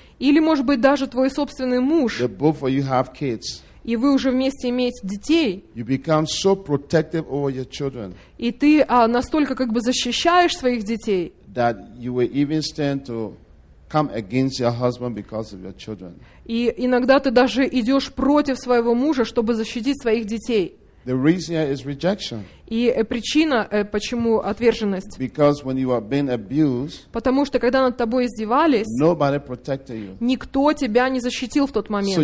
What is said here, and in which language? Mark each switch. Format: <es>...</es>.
<ru>или, может быть, даже твой собственный муж,</ru> <en>the both of you have kids,</en> <ru>и вы уже вместе имеете детей,</ru> <en>you become so protective over your children,</en> <ru>и ты настолько как бы защищаешь своих детей,</ru> <en>that you will even stand to come against your husband because of your children.</en> <ru>И иногда ты даже идешь против своего мужа, чтобы защитить своих детей.</ru> <en>The reason is rejection.</en> <ru>И причина, почему отверженность.</ru> <en>Because when you are being abused,</en> <ru>потому что когда над тобой издевались,</ru> <en>nobody protected you.</en> <ru>Никто тебя не защитил в тот момент.</ru>